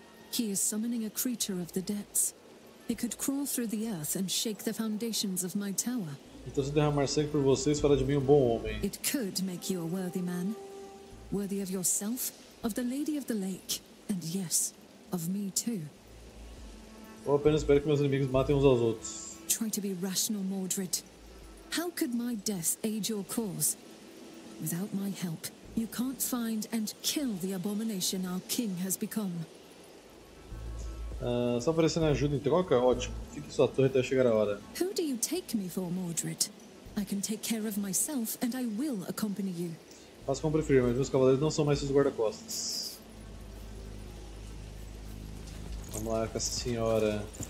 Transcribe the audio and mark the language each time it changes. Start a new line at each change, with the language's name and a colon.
English: He is summoning a creature of the depths. It could crawl through the earth and shake the foundations of my tower.
Portuguese: Então, se derramar sangue por vocês, fará de mim um bom homem.
English: It could make you a worthy man. Worthy of yourself, of the Lady of the Lake, and yes, of me too.
Portuguese: Eu apenas espero que meus inimigos matem uns aos outros.
English: Try to be rational, Mordred. How could my death aid your cause? Without my help, you can't find and kill the abomination our king has become.
Portuguese: Só oferecendo ajuda em troca? Ótimo. Fique em sua torre até chegar a hora.
English: Who do you take me for, Mordred? I can take care of myself and I will accompany you.
Portuguese: Faça como preferir, mas meus cavaleiros não são mais seus guarda-costas. Vamos lá com essa senhora.